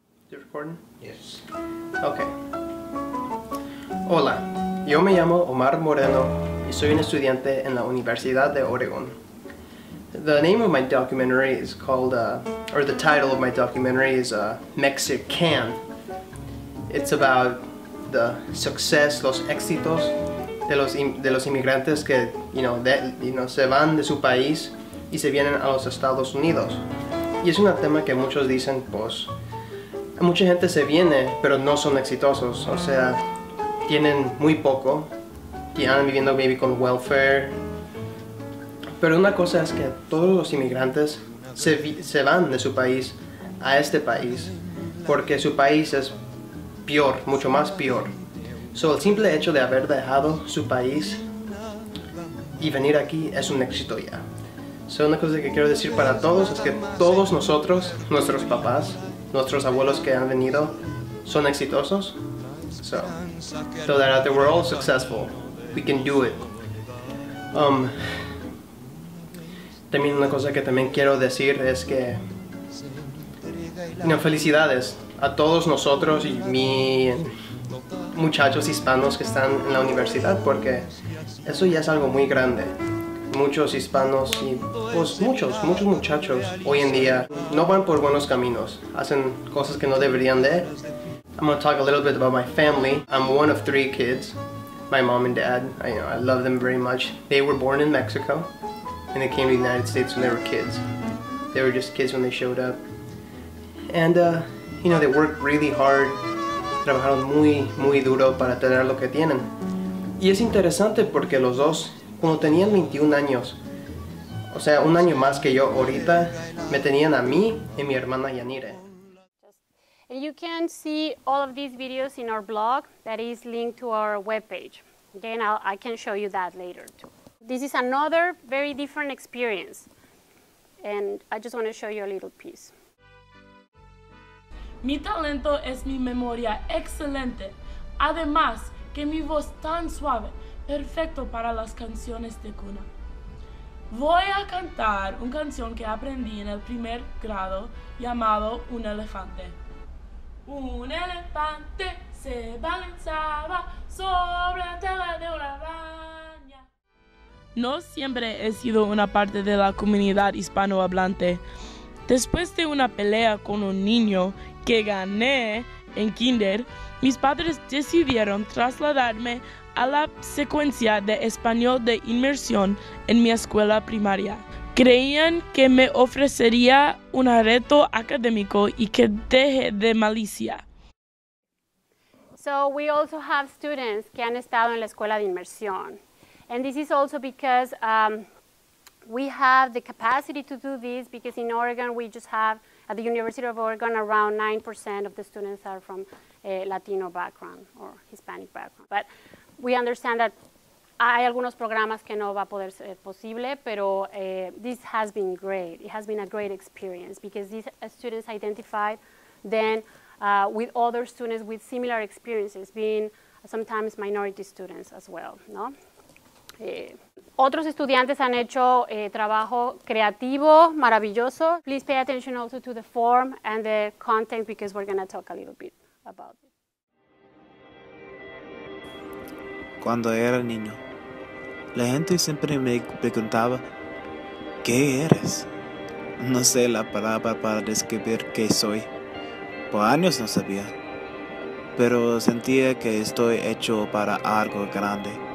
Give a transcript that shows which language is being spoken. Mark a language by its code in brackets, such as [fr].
[en] You recording? Yes. Okay. [es] Hola, yo me llamo Omar Moreno y soy un estudiante en la Universidad de Oregon. [en] The name of my documentary is called, or the title of my documentary is Mexican. It's about the success, [es] los éxitos de los inmigrantes que, [en] you know, [es] se van de su país y se vienen a los Estados Unidos. Y es un tema que muchos dicen, pues, mucha gente se viene, pero no son exitosos. O sea, tienen muy poco, y andan viviendo maybe con welfare. Pero una cosa es que todos los inmigrantes se van de su país a este país porque su país es peor, mucho más peor. So el simple hecho de haber dejado su país y venir aquí es un éxito ya. So una cosa que quiero decir para todos es que todos nosotros, nuestros papás, nuestros abuelos que han venido, son exitosos. [en] So that after we're all successful, we can do it. [es] También una cosa que también quiero decir es que, no, felicidades a todos nosotros y mis muchachos hispanos que están en la universidad, porque eso ya es algo muy grande. Muchos hispanos y pues muchos muchachos hoy en día no van por buenos caminos, hacen cosas que no deberían de. [en] I'm going to talk a little bit about my family. I'm one of three kids, my mom and dad. I love them very much. They were born in Mexico. And they came to the United States when they were kids. They were just kids when they showed up. And, you know, they worked really hard. [es] Trabajaron muy, muy duro para tener lo que tienen. Y es interesante porque los dos, cuando tenían 21 años, o sea, un año más que yo ahorita, me tenían a mí y mi hermana Yanire. [en] And you can see all of these videos in our blog that is linked to our webpage. Again, I can show you that later too. This is another very different experience. And I just want to show you a little piece. [es] Mi talento es mi memoria excelente. Además, que mi voz tan suave, perfecto para las canciones de cuna. Voy a cantar una canción que aprendí en el primer grado llamado Un elefante. Un elefante se balanzaba sobre la tela de una araña. No siempre he sido una parte de la comunidad hispanohablante. Después de una pelea con un niño que gané en kinder, mis padres decidieron trasladarme a la secuencia de español de inmersión en mi escuela primaria. Creían que me ofrecería un reto académico y que deje de malicia. [en] So we also have students [es] que han estado en la escuela de inmersión. [en] And this is also because we have the capacity to do this because in Oregon we just have, at the University of Oregon, around 9% of the students are from a Latino background or Hispanic background. But we understand that [es] hay algunos programas que no va a poder ser posible, pero [en] this has been great. It has been a great experience because these students identified then with other students with similar experiences, being sometimes minority students as well, no? [es] Otros estudiantes han hecho trabajo creativo, maravilloso. [en] Please pay attention also to the form and the content because we're going to talk a little bit about it. [es] Cuando era niño, la gente siempre me preguntaba, ¿qué eres? No sé la palabra para describir qué soy. Por años no sabía, pero sentía que estoy hecho para algo grande.